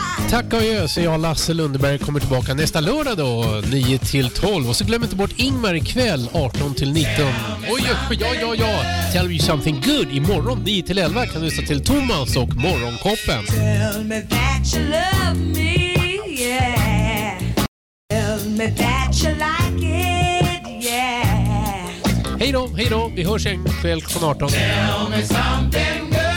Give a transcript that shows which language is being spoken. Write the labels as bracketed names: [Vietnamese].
[Swedish] Tack och gör så jag och Lasse Lundberg kommer tillbaka nästa lördag då 9-12. Och så glöm inte bort Ingmar ikväll 18-19. Oj, ja. [English] Tell me something good. [Swedish] Imorgon 9-11 kan du lyssna till Thomas och Morgonkoppen. [English] Tell me that you love me, yeah. Tell me that you like it, yeah. [Swedish] Hej då, hej då. Vi hörs en kväll från 18. [English] Tell me something good.